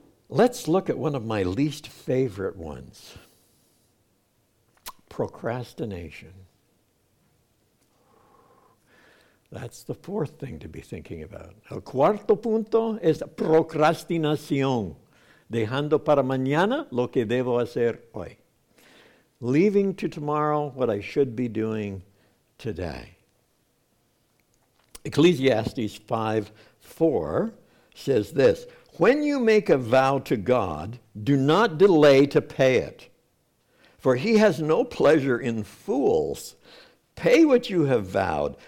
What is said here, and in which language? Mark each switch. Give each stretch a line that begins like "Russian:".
English: Let's look at one of my least favorite ones. Procrastination. That's the fourth thing to be thinking about.
Spanish: El cuarto punto es procrastinación. Dejando para mañana lo que debo hacer hoy.
English: Leaving to tomorrow what I should be doing today. Ecclesiastes 5:4 says this, "When you make a vow to God, do not delay to pay it. For he has no pleasure in fools. Pay what you have vowed.